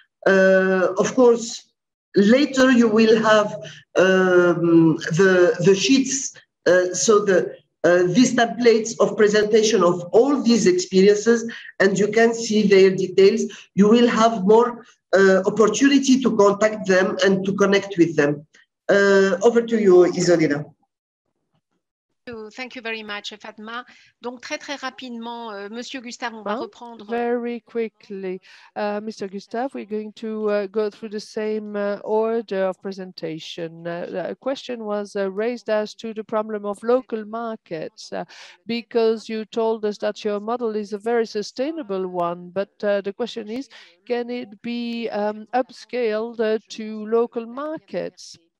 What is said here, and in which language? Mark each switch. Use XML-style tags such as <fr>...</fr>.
<en>Of course, later you will have the sheets, so these templates of presentation of all these experiences, and you can see their details. You will have more opportunity to contact them and to connect with them. Over to you, Isolina. Thank you very much, Fatma.</en> <fr>Donc, très, très rapidement, Monsieur Gustav, on va reprendre.</fr> <en>Very quickly, Mr. Gustav, we're going to go through the same order of presentation. A question was raised as to the problem of local markets, because you told us that your model is a very sustainable one. But the question is, can it be upscaled to local markets?</en>